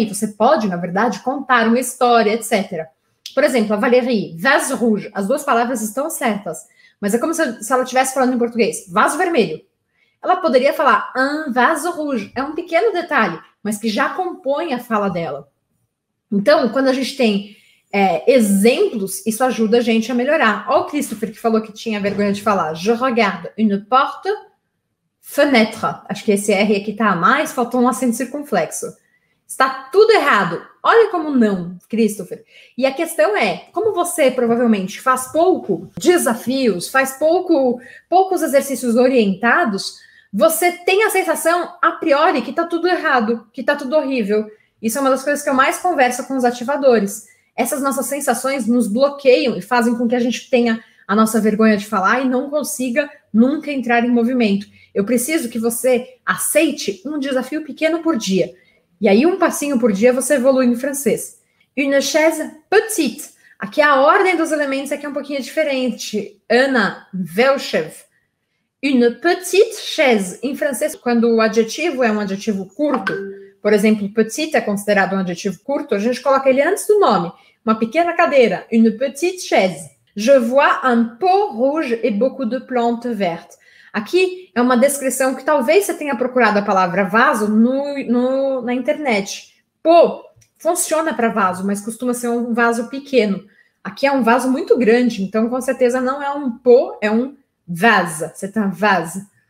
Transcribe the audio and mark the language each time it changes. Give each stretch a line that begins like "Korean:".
Portuguese: E você pode, na verdade, contar uma história, etc. Por exemplo, a Valérie,
French: vase rouge,
Portuguese: as duas palavras estão certas, mas é como se ela estivesse falando em português, vaso vermelho. Ela poderia falar
French: un vase rouge,
Portuguese: é um pequeno detalhe, mas que já compõe a fala dela. Então, quando a gente tem exemplos, isso ajuda a gente a melhorar. Olha o Christopher que falou que tinha vergonha de falar.
French: Je regarde une porte, fenêtre.
Portuguese: Acho que esse R aqui está a mais, faltou um acento circunflexo. Está tudo errado. Olha como não, Christopher. E a questão é, como você provavelmente faz pouco desafios, faz poucos exercícios orientados, você tem a sensação, a priori, que está tudo errado, que está tudo horrível. Isso é uma das coisas que eu mais converso com os ativadores. Essas nossas sensações nos bloqueiam e fazem com que a gente tenha a nossa vergonha de falar e não consiga nunca entrar em movimento. Eu preciso que você aceite um desafio pequeno por dia. E aí, um passinho por dia, você evolui no francês.
French: Une chaise petite.
Portuguese: Aqui a ordem dos elementos aqui é um pouquinho diferente. Anna Velchev.
French: Une petite chaise.
Portuguese: Em francês, quando o adjetivo é um adjetivo curto, Por exemplo, petit é considerado um adjetivo curto, a gente coloca ele antes do nome. Uma pequena cadeira,
French: une petite chaise. Je vois un pot rouge et beaucoup de plantes vertes.
Portuguese: Aqui é uma descrição que talvez você tenha procurado a palavra vaso na internet. Pot funciona para vaso, mas costuma ser um vaso pequeno. Aqui é um vaso muito grande, então com certeza não é um pot, é um vase. Você tem um vase.